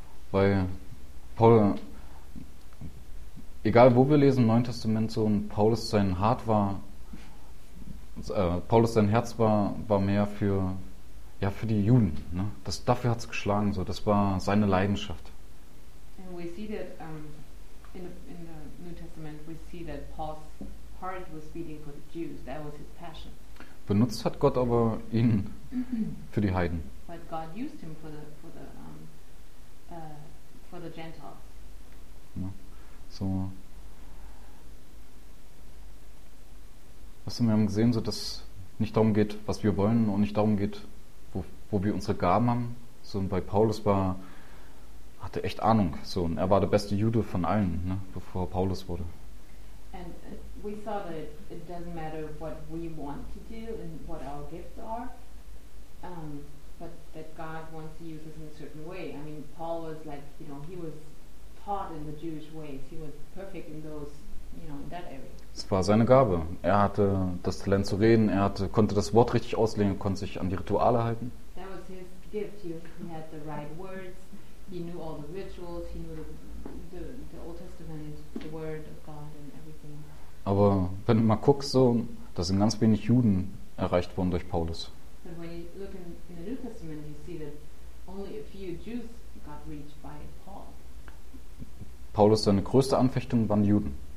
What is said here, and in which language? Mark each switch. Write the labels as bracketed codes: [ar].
[de] Weil Paul, egal wo wir lesen im Neuen Testament, so Paulus sein Herz war, mehr für die Juden. Ne? Dafür hat es geschlagen, so. Das war seine Leidenschaft. [en] And we see that in the New Testament we see that Paul's heart heart was beating for the Jews. That was his passion. [de] Benutzt hat Gott aber ihn für die Heiden. [en] But God used him for the Gentiles. [de] Ja. So. Was haben wir gesehen, so dass nicht darum geht, was wir wollen und nicht darum geht, wo wir unsere Gaben haben. So, bei Paulus hatte echt Ahnung. So, und er war der beste Jude von allen, ne, bevor er Paulus wurde. [en] And we saw that it doesn't matter what we want to do and what our gifts are, but that God wants to use us in a certain way. I mean, Paul was like, you know, he was taught in the Jewish ways. He was perfect in those, you know, in that area. [de] Es war seine Gabe. Er hatte das Talent zu reden, er konnte das Wort richtig auslegen, konnte sich an die Rituale halten. [en] That was his gift. He had the right words, he knew all the rituals, he knew the Old Testament, the word of God and everything. [de] Aber wenn du mal guckst, so, da sind ganz wenig Juden erreicht worden durch Paulus. [en] But when you look in the New Testament, you see that only a few Jews got reached by Paul. [de] Paulus, seine größte Anfechtung waren die Juden.